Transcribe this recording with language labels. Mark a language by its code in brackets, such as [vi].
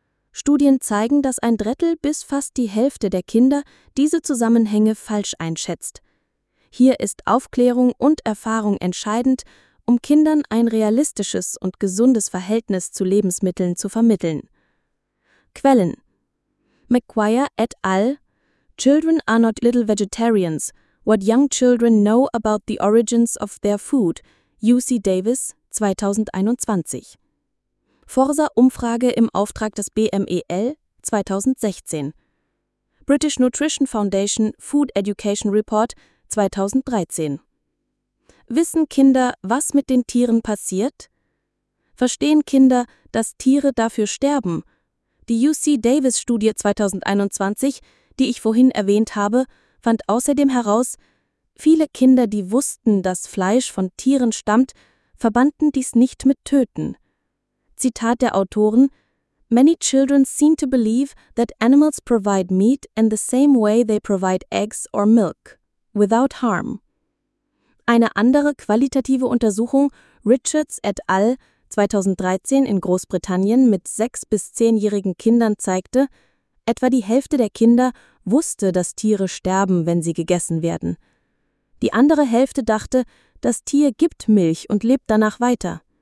[de] Studien zeigen, dass ein Drittel bis fast die Hälfte der Kinder diese Zusammenhänge falsch einschätzt. Hier ist Aufklärung und Erfahrung entscheidend, um Kindern ein realistisches und gesundes Verhältnis zu Lebensmitteln zu vermitteln. Quellen: McGuire et al. [en] Children are not little vegetarians. What young children know about the origins of their food. UC Davis, 2021. [de] Forsa-Umfrage im Auftrag des BMEL, 2016. [en] British Nutrition Foundation Food Education Report, 2013. [de] Wissen Kinder, was mit den Tieren passiert? Verstehen Kinder, dass Tiere dafür sterben? Die UC Davis-Studie 2021, die ich vorhin erwähnt habe, fand außerdem heraus, Viele Kinder, die wussten, dass Fleisch von Tieren stammt, verbanden dies nicht mit Töten. Zitat der Autoren: [en] Many children seem to believe that animals provide meat in the same way they provide eggs or milk, without harm. [de] Eine andere qualitative Untersuchung, Richards et al. 2013 in Großbritannien mit 6- bis 10-jährigen Kindern, zeigte, etwa die Hälfte der Kinder wusste, dass Tiere sterben, wenn sie gegessen werden. Die andere Hälfte dachte, das Tier gibt Milch und lebt danach weiter.